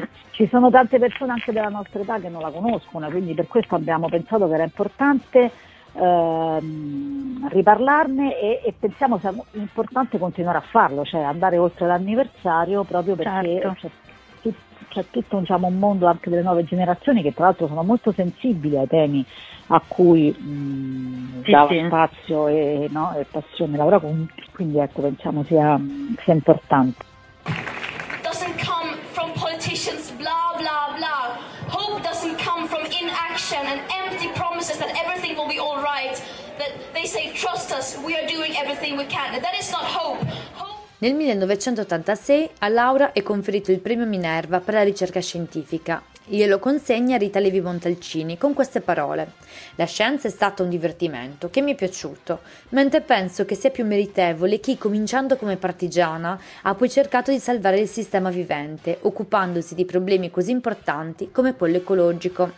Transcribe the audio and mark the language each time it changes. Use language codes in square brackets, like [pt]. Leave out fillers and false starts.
[it] Ci sono tante persone anche della nostra età che non la conoscono, quindi per questo abbiamo pensato che era importante riparlarne, e pensiamo sia importante continuare a farlo, cioè andare oltre l'anniversario, proprio perché c'è tutto un mondo anche delle nuove generazioni che tra l'altro sono molto sensibili ai temi a cui spazio e, no, e passione Laura Conti, quindi ecco, pensiamo sia importante. [en] Doesn't come from politicians blah blah blah. Hope doesn't come from inaction and empty promises that everything will be all right, that they say trust us, we are doing everything we can. That is not hope. [it] Nel 1986 a Laura è conferito il premio Minerva per la ricerca scientifica. Glielo consegna Rita Levi Montalcini con queste parole: «La scienza è stato un divertimento che mi è piaciuto, mentre penso che sia più meritevole chi, cominciando come partigiana, ha poi cercato di salvare il sistema vivente, occupandosi di problemi così importanti come quello ecologico».